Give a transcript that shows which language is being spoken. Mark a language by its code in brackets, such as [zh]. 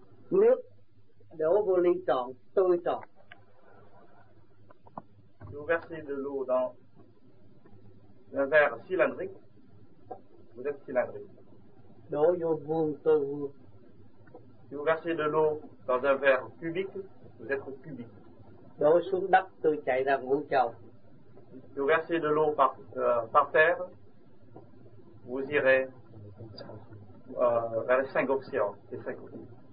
[vi] Nước đổ vô ly tròn, tôi tròn. [fr] Vous versez de l'eau dans un verre cylindrique, vous êtes cylindrique. [vi] Đổ vô vuông, tôi vuông. [fr] Vous versez de l'eau dans un verre cubique, vous êtes cubique. [vi] Đổ xuống đất, tôi chạy ra ngũ châu. [fr] Vous versez de l'eau par terre, vous irez vers les cinq océans, les cinq continents.